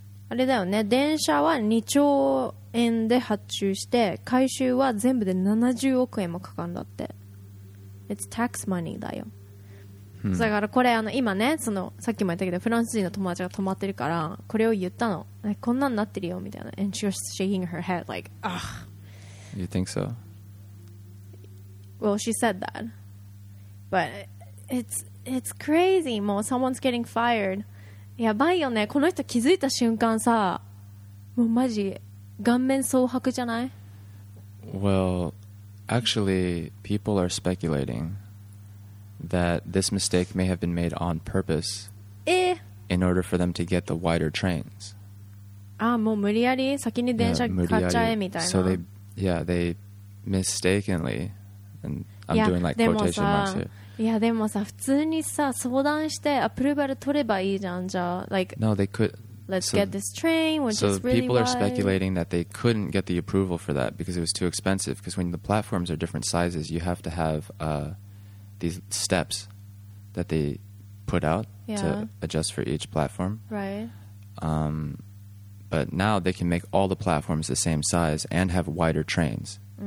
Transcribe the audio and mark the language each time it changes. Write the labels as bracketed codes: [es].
[ja] あれだよね、電車は2兆円で発注して、回収は全部で70億円もかかるんだって。 [en] It's tax money [ja] だよ。だからこれ今ね、そのさっきも言ったけど、フランス人の友達が泊まってるからこれを言ったの。こんなんなってるよみたいな。 [en] And she was shaking her head like, ugh. You think so? Well, she said that. But it's crazy. [ja] もう [en] someone's getting fired. [ja] やばいよね。この人気づいた瞬間さ、もうマジ顔面蒼白じゃない？ [en] Well. Actually, people are speculating that this mistake may have been made on purpose In order for them to get the wider trains. [ja] Ah, もう無理やり先に電車買っちゃえみたいな。 [en] So they, yeah, they mistakenly, and I'm doing like quotation marks here. [ja] いやでもさ普通にさ相談してアプローバル取ればいいじゃんじゃあ like [en] no they could let's get this train which is really people are speculating that they couldn't get the approval for that because it was too expensive because when the platforms are different sizes you have to have these steps that they put out to adjust for each platform right but now they can make all the platforms the same size and have wider trains.